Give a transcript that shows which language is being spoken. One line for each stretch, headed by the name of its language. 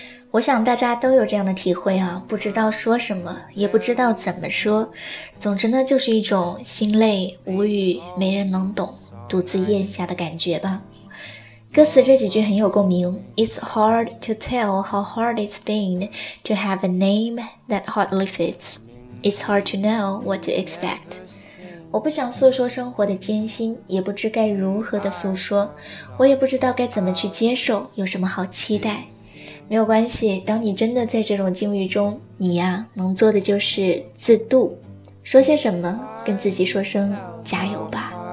Chinese: 我想大家都有这样的体会啊，不知道说什么，也不知道怎么说，总之呢，就是一种心累、无语、没人能懂、独自咽下的感觉吧。歌词这几句很有共鸣，
English: It's hard to tell how hard it's been to have a name that hardly fits. It's hard to know what to expect.
Chinese: 我不想诉说生活的艰辛，也不知该如何的诉说，我也不知道该怎么去接受，有什么好期待。没有关系，当你真的在这种境遇中，你呀，能做的就是自度，说些什么，跟自己说声加油吧。